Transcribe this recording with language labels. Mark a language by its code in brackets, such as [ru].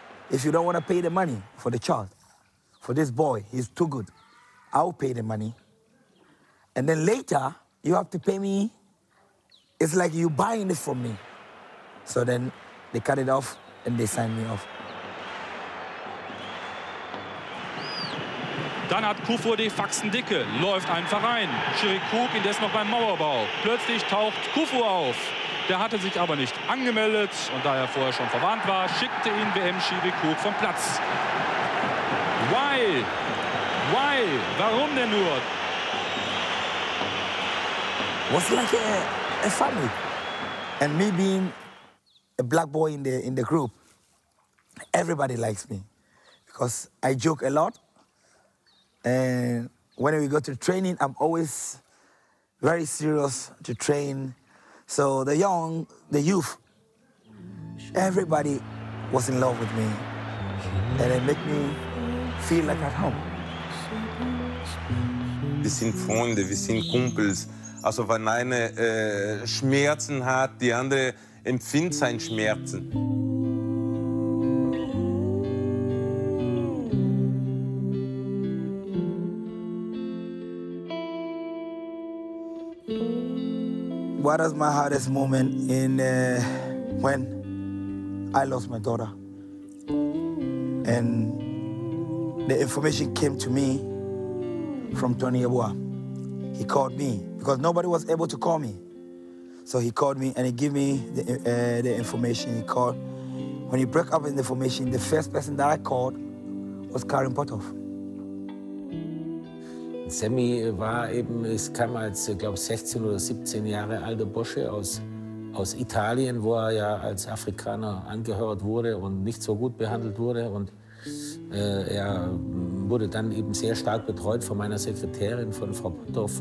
[en] If you don't want to pay the money for the child, for this boy, he's too good, I'll pay the money. And then later, you have to pay me. It's like you're buying it from me. So then they cut it off and they signed me off. [de] Dann hat Kuffour die Faxen dicke, läuft einfach rein. Schiri Krug indes noch beim Mauerbau. Plötzlich taucht Kuffour auf. Der hatte sich aber nicht angemeldet und da er vorher schon verwarnt war, schickte ihn WM-Schiri Krug vom Platz. [en] Why? Why? [de] Warum denn nur? [en] Was like a family. And me being a black boy in the group, everybody likes me. Because I joke a lot. And when we go to training, I'm always very serious to train. So the young, the youth, everybody was in love with me. And it made me feel like at home. [de] Wir sind Freunde, wir sind Kumpels. Also wenn eine Schmerzen hat, die andere empfindet seine Schmerzen. [en] What was my hardest moment in when I lost my daughter? And the information came to me from Tony Eboa. He called me because nobody was able to call me. So he called me and he gave me the information. He called. When he broke up in the formation, the first person that I called was Karim Potov. [de] Sammy war eben, es kam als, glaube ich, 16 oder 17 Jahre alter Bursche aus Italien, wo er ja als Afrikaner angehört wurde und nicht so gut behandelt wurde. Und er wurde dann eben sehr stark betreut von meiner Sekretärin, von Frau Potthoff.